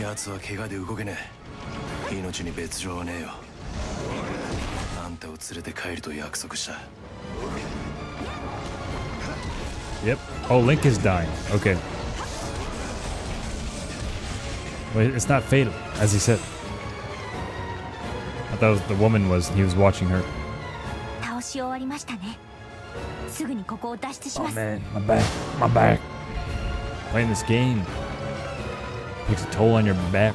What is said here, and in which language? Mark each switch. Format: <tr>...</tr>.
<ja>は怪我で動けねえ命に別状はねえよあんたを連れて帰ると約束した</ja> <en>Yep Oh Link is dying Okay Wait it's not fatal As he said I thought it was the woman was He was watching her</en> <ja>倒し終わりましたねすぐにここを脱出します</ja> <en>Oh man My back My back Playing this gameTakes a toll on your back.</en>